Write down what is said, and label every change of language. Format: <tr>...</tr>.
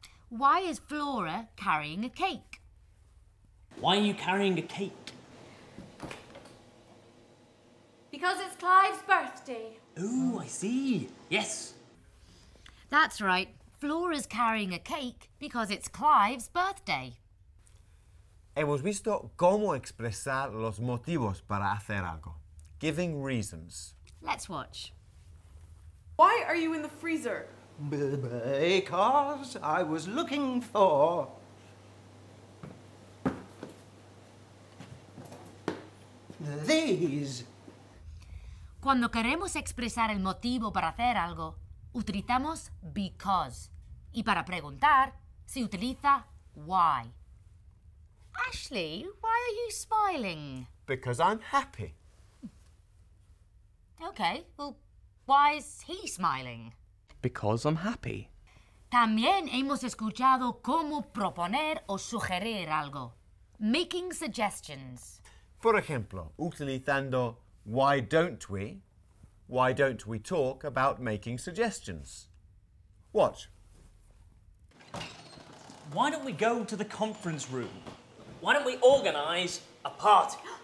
<en>Why is Flora carrying a cake? Why are you carrying a cake? Because it's Clive's birthday. Ooh, I see. Yes. That's right. Flora's carrying a cake because it's Clive's birthday.</en> <es>Hemos visto cómo expresar los motivos para hacer algo.</es> <en>Giving reasons. Let's watch. Why are you in the freezer? Because I was looking for... these.</en> <es>Cuando queremos expresar el motivo para hacer algo, utilizamos because. Y para preguntar, se utiliza why.</es> <en>Ashley, why are you smiling? Because I'm happy. Okay, well, why is he smiling? Because I'm happy.</en> <es>También hemos escuchado cómo proponer o sugerir algo.</es> <en>Making suggestions.</en> <es>Por ejemplo, utilizando</es> <en>why don't we talk about making suggestions? Watch. Why don't we go to the conference room? Why don't we organise a party?</en>